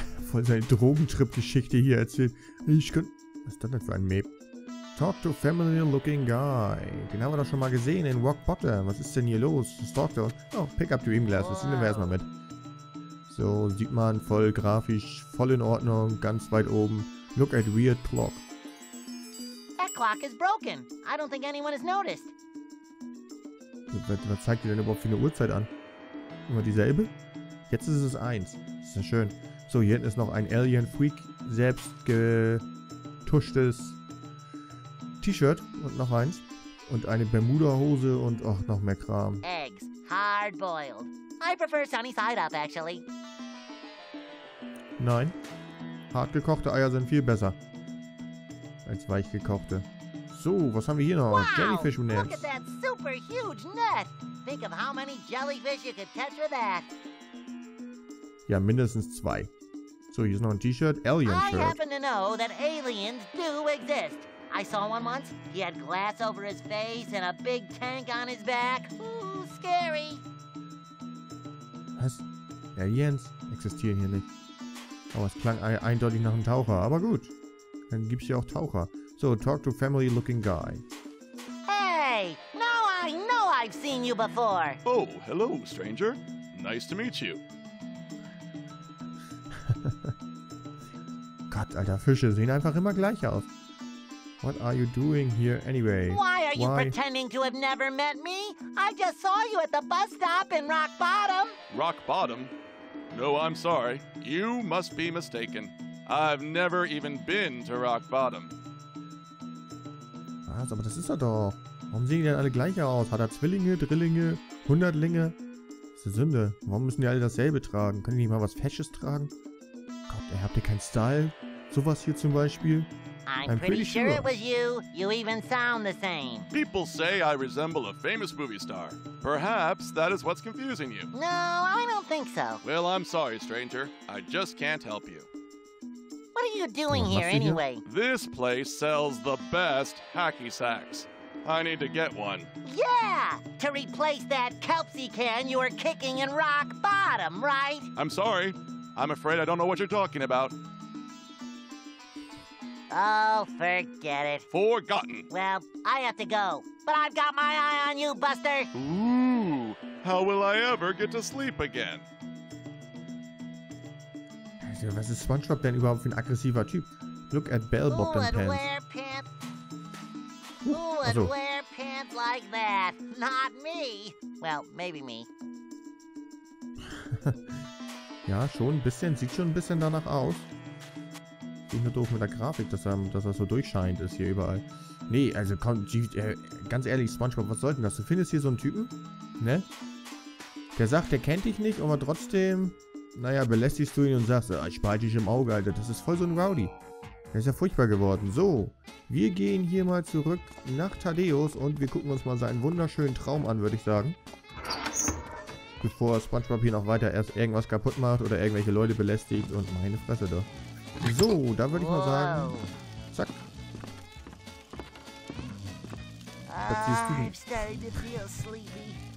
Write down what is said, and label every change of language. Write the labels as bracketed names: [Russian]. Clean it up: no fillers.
[German] Voll seine Drogentrip-Geschichte hier erzählt. Ich kann... Was ist das denn für ein Mäb? [English] Talk to familiar-looking guy. [German] Den haben wir doch schon mal gesehen in Rock Bottom. Was ist denn hier los? [English] Stalk to... Oh, pick up dream glasses. [German] Nehmen wir erstmal mit. So, sieht man voll grafisch, voll in Ordnung, ganz weit oben. [English] Look at weird clock. That clock is broken. I don't think anyone has noticed. [German] Was zeigt dir denn überhaupt für eine Uhrzeit an? Immer dieselbe? Jetzt ist es eins. Ist ja schön. So, hier hinten ist noch ein Alien-Freak selbst getuschtes T-Shirt und noch eins. Und eine Bermuda-Hose und auch noch mehr Kram. [English] Eggs, hard boiled. I prefer sunny side up, actually. [German] Nein. Hart gekochte Eier sind viel besser. Als weich gekochte. So, was haben wir hier noch? [English] Wow, Jellyfish Nets. Look at that super huge net. Think of how many jellyfish you could catch with that. [German] Ja, mindestens zwei. So, hier ist noch ein T-Shirt. [English] Alien Shirt. I happen to know that aliens do exist. I saw one once. He had glass over his face and a big tank on his back. Ooh, scary. [German] Was? Aliens existieren hier nicht. Aber es klang eindeutig nach einem Taucher. Aber gut, dann gibt's hier auch Taucher. [English] So, talk to family looking guy. Hey, now I know I've seen you before. Oh, hello, stranger. Nice to meet you. [German] Gott, Alter, Fische sehen einfach immer gleich aus. [English] What are you doing here anyway? Why are you pretending to have never met me? I just saw you at the bus stop in Rock Bottom. Rock Bottom? No, I'm sorry. You must be mistaken. I've never even been to Rock Bottom. [German] Was? Aber das ist er doch. Warum sehen die denn alle gleich aus? Hat er Zwillinge, Drillinge, Hundertlinge? Das ist eine Sünde. Warum müssen die alle dasselbe tragen? Können die nicht mal was Fesches tragen? Gott, ey, habt ihr keinen Style? Sowas hier zum Beispiel? [English] I'm pretty sure it was you. You even sound the same. People say I resemble a famous movie star. Perhaps that is what's confusing you. No, I don't think so. Well, I'm sorry, stranger. I just can't help you. What are you doing here anyway? This place sells the best hacky sacks. I need to get one. Yeah, to replace that Kelpsy can you were kicking in Rock Bottom, right? I'm sorry. I'm afraid I don't know what you're talking about. Oh, forget it. Forgotten. Well, I have to go. But I've got my eye on you, Buster. Ooh, how will I ever get to sleep again? [German] Also, was ist SpongeBob denn überhaupt für ein aggressiver Typ? [English] Look at Bellbop and Pants. Who would wear pants like that? Not me. Well, maybe me. [German] Ja, schon ein bisschen. Sieht schon ein bisschen danach aus. Ich nur doof mit der Grafik, dass er so durchscheinend ist hier überall. Nee, also komm, ganz ehrlich, SpongeBob, was soll denn das? Du findest hier so einen Typen, ne? Der sagt, der kennt dich nicht, aber trotzdem, naja, belästigst du ihn und sagst, ich behalte dich im Auge, Alter. Das ist voll so ein Rowdy. Der ist ja furchtbar geworden. So, wir gehen hier mal zurück nach Thaddäus und wir gucken uns mal seinen wunderschönen Traum an, würde ich sagen. Bevor SpongeBob hier noch weiter erst irgendwas kaputt macht oder irgendwelche Leute belästigt und meine Fresse doch. So, da würde ich mal sagen, zack. [English] I'm starting to feel sleepy.